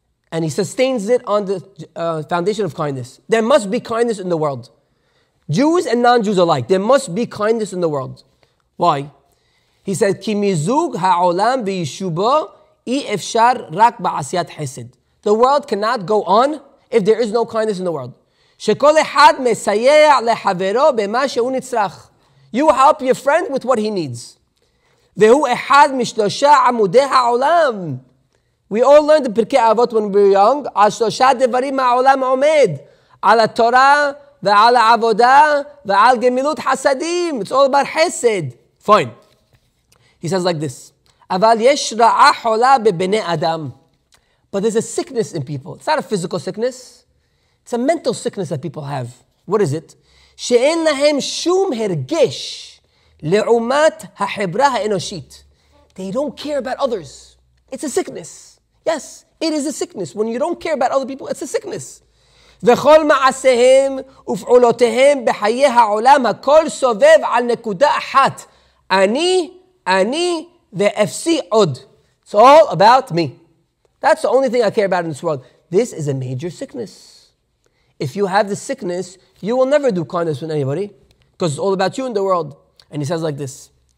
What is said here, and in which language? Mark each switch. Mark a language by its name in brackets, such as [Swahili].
[English] And he sustains it on the foundation of kindness. There must be kindness in the world. Jews and non-Jews alike, there must be kindness in the world. Why? He says, [Hebrew] Ki mizug ha'olam v'yishubo אי-אפשר רק בעשיית חסד. [English] The world cannot go on if there is no kindness in the world. [Hebrew] שכל אחד מסייע לחברו במה שהוא נצרח. [English] You help your friend with what he needs. [Hebrew] והוא אחד משלושה עמודי העולם. [English] We all learned the פרקי אבות when we were young. [Hebrew] על שלושה דברים העולם עומד. על התורה ועל העבודה ועל גמילות חסדים. [English] It's all about חסד. Fine. He says like this. [Hebrew] אבל יש רעה חולה בבני אדם. [English] But there's a sickness in people. It's not a physical sickness. It's a mental sickness that people have. What is it? [Hebrew] שאין להם שום הרגש לעומת החברה האנושית. [English] They don't care about others. It's a sickness. Yes, it is a sickness. When you don't care about other people, it's a sickness. [Hebrew] וכל מעשיהם ופעולותיהם בחיי העולם הכל סובב על נקודה אחת. [English] אני The FC Od. It's all about me. That's the only thing I care about in this world. This is a major sickness. If you have the sickness, you will never do kindness with anybody. Because it's all about you in the world. And he says like this.